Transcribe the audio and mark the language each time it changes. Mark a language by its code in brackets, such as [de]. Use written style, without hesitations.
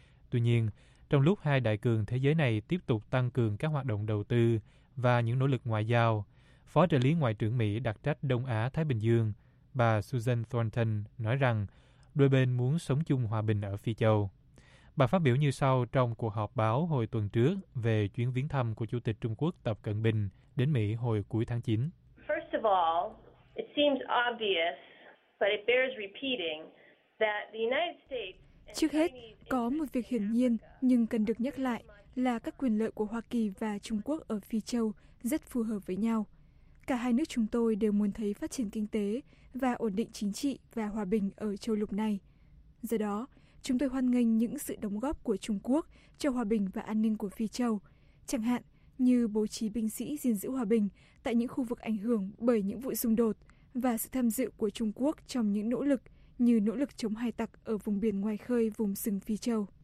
[vi] Tuy nhiên, trong lúc hai đại cường thế giới này tiếp tục tăng cường các hoạt động đầu tư và những nỗ lực ngoại giao, Phó trợ lý Ngoại trưởng Mỹ đặc trách Đông Á-Thái Bình Dương, bà Susan Thornton, nói rằng đôi bên muốn sống chung hòa bình ở Phi Châu. Bà phát biểu như sau trong cuộc họp báo hồi tuần trước về chuyến viếng thăm của Chủ tịch Trung Quốc Tập Cận Bình đến Mỹ hồi cuối tháng 9. [en] First of all, it seems obvious, but it bears repeating, that the United States... [vi] Trước hết, có một việc hiển nhiên nhưng cần được nhắc lại là các quyền lợi của Hoa Kỳ và Trung Quốc ở Phi Châu rất phù hợp với nhau. Cả hai nước chúng tôi đều muốn thấy phát triển kinh tế và ổn định chính trị và hòa bình ở châu lục này. Do đó, chúng tôi hoan nghênh những sự đóng góp của Trung Quốc cho hòa bình và an ninh của Phi Châu, chẳng hạn như bố trí binh sĩ gìn giữ hòa bình tại những khu vực ảnh hưởng bởi những vụ xung đột và sự tham dự của Trung Quốc trong những nỗ lực như nỗ lực chống hải tặc ở vùng biển ngoài khơi vùng sừng Phi Châu.